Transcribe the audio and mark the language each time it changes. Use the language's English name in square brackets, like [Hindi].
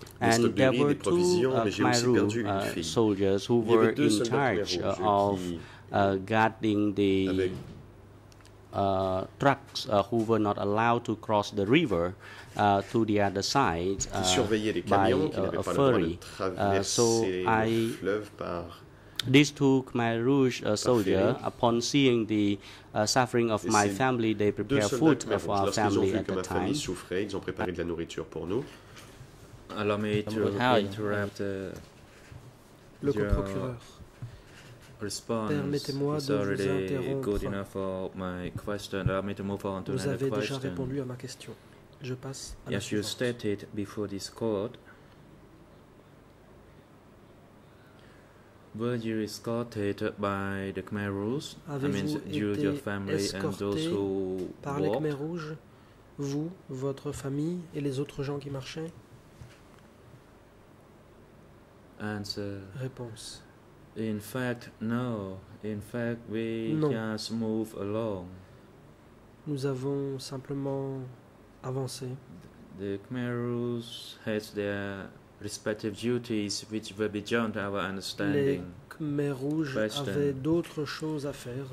[English] And there were two Khmerou soldiers who were in charge of guarding the trucks who were not allowed to cross the river to the other side by a ferry. So I these two Khmer Rouge soldiers, upon seeing the suffering of my family, they prepared food for our family at that time. [French] Ils ont préparé de la nourriture pour nous. Alors, mais tu as interrupt le procureur. Permettez-moi de vous interrompre. Vous avez déjà répondu à ma question. Je passe à la suivante. [English] Yes, you stated before this court. Were you escorted by the Khmer Rouge? [French] Les Khmer Rouge, vous, votre famille et les autres gens qui marchaient? [English] Answer. [French] Réponse. [English] In fact, no. In fact, we [French] non. [English] Just move along. [French] Nous avons simplement avancé. [English] The Khmer Rouge has their respective duties which were beyond our understanding. [French] Les Khmer Rouge avaient d'autres choses à faire.